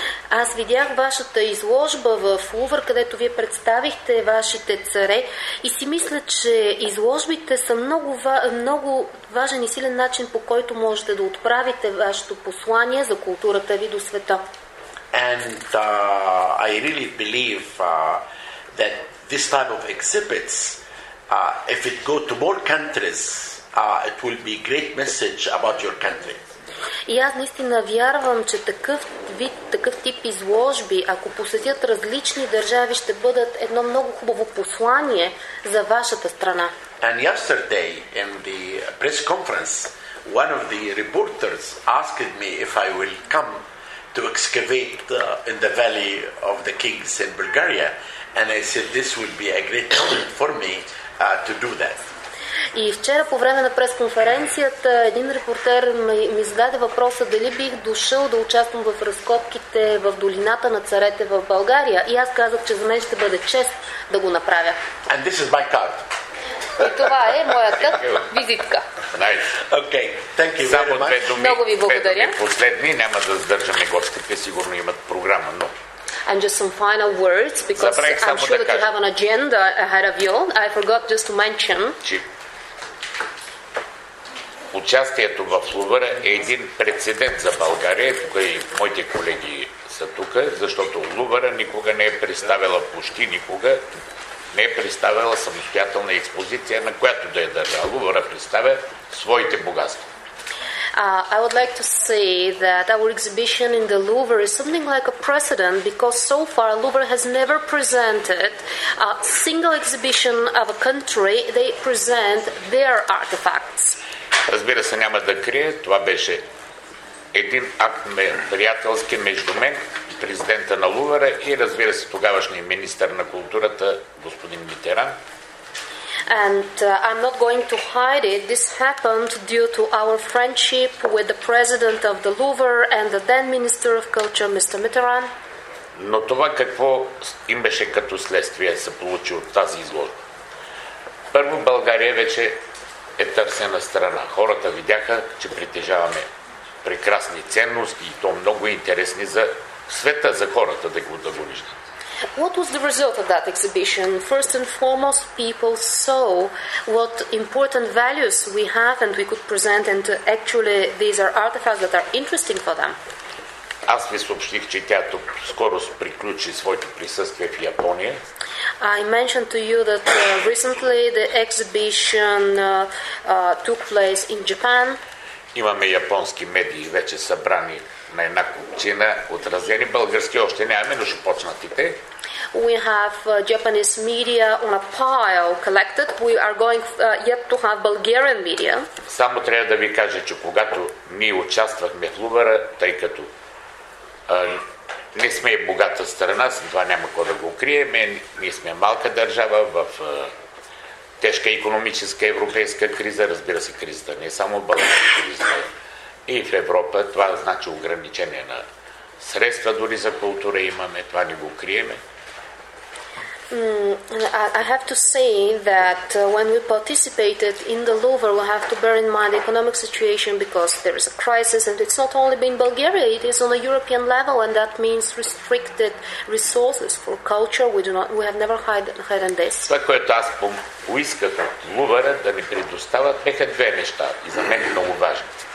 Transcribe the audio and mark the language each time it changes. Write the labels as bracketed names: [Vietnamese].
[Bulgarian] Аз видях вашата изложба в Лувър, където вие представихте вашите царе, и си мисля, че изложбите са много, много важен и силен начин, по който можете да отправите вашето послание за културата ви до света. [English] And I really believe that this type of exhibits, if it go to more countries, it will be a great message about your country. [Bulgarian] И аз наистина вярвам, че такъв вид, такъв тип изложби, ако посетят различни държави, ще бъдат едно много хубаво послание за вашата страна. [English] And yesterday in the press conference, one of the reporters asked me if I will come to excavate in the valley of the kings in Bulgaria, and I said this will be a great moment for me to do that. [Bulgarian] И вчера по време на пресконференцията един репортер ми зададе въпроса дали бих дошъл да участвам в разкопките в долината на царете в България. И аз казах, че за мен ще бъде чест да го направя. [English] And this is my card. [Bulgarian] И това е моят визитка. [English] Nice. Okay. Thank you very much. [Bulgarian] Думи, много ви благодаря. Две думи последни, няма да задържаме гостите, сигурно имат програма, но... [English] And just some final words, because I'm sure that you have an agenda ahead of you. I forgot just to mention... [Bulgarian] Участието в Лувър е един прецедент за България, тук и моите колеги са тук, защото Лувъра никога не е представила, почти никога, не е представила самостоятелна експозиция, на която да е държава. Лувъра представя своите богатства. [English] I would like to say that our exhibition in the Louvre is something like a precedent because so far Louvre has never presented a single exhibition of a country. They present their artifacts. [Bulgarian] Разбира се, няма да крия, това беше един акт приятелски между мен, президента на Лувъра и разбира се тогавашния министър на културата, господин Митеран. [English] And I'm not going to hide it. This happened due to our friendship with the president of the Louvre and the then minister of culture, Mr. Mitterrand. [Bulgarian] Но това какво имаше като следствие се получи от тази изложба? Първо, България вече е търсена страна. Хората видяха, че притежаваме прекрасни ценности и то много интересни за света, за хората да го виждат. [English] What was the result of that exhibition? First and foremost, people saw what important values we have and we could present, and actually these are artifacts that are interesting for them. [Bulgarian] Аз ви съобщих, че тя тук скоро приключи своето присъствие в Япония. [English] I mentioned to you that recently the exhibition took place in Japan. [Bulgarian] Имаме японски медии вече събрани на една купчина, отразени български още нямаме, но ще почнат и те. [English] We have Japanese media on a pile collected. We are going yet to have Bulgarian media. [Bulgarian] Само трябва да ви кажа, че когато ние участвахме в Лувъра, тъй като не сме богата страна, с това няма какво да го крием, ние сме малка държава в тежка икономическа европейска криза, разбира се, кризата не е само българска криза, и в Европа това значи ограничение на средства, дори за култура имаме, това не го криеме. [English] I have to say that when we participated in the Louvre, we have to bear in mind the economic situation because there is a crisis, and it's not only been Bulgaria, it is on a European level, and that means restricted resources for culture. We have never hidden this. [Bulgarian] Това, което аз поисках от Лувъра да ми предоставят, бяха две неща и за мен много важни.